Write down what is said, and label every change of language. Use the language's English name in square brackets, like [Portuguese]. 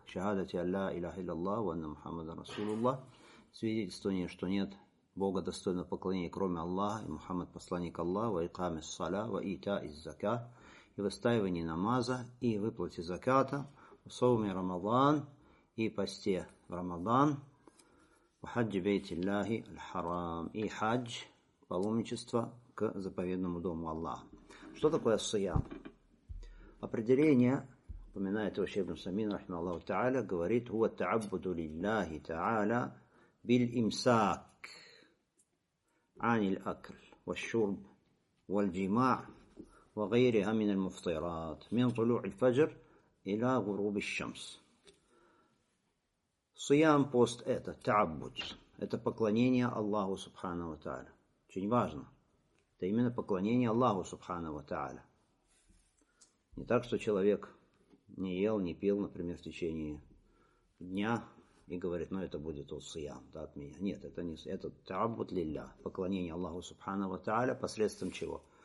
[Russian] «Шахадати алля илляхи лаллаху анна Мухаммада Расулуллах». Свидетельствование, что нет Бога достойного поклонения, кроме Аллаха, и Мухаммад посланник Аллаха, и икаме ссаля, ва ита иззака, и выстаивание намаза, и выплате заката, в соуме Рамадан, и посте в Рамадан, в хаджи бейтиллахи аль-харам, и хадж, паломничество к заповедному дому Аллаха. Что такое сиям? Определение, упоминает его Шейх Ибн Усаймин, рахима Аллаху та'аля, говорит, «Хуа та'аббуду лиллахи та'аля биль имсак». [Arabic] عن الأكل والشرب والجماع وغيرها من المفطرات من طلوع الفجر إلى غروب الشمس. صيام بوست [Russian] это [Arabic] تعبد. [Russian] Это поклонение Аллаху [Arabic] سبحانه وتعالى. [Russian] Очень важно. Это именно поклонение Аллаху [Arabic] سبحانه وتعالى. [Russian] Не так, что человек не ел, не пил, например, в течение дня. И говорит, ну это будет вот сиям, да, от меня. Нет, это не сиям, это та'аббуд лилля, поклонение Аллаху Субхану ва Та'аля, посредством чего?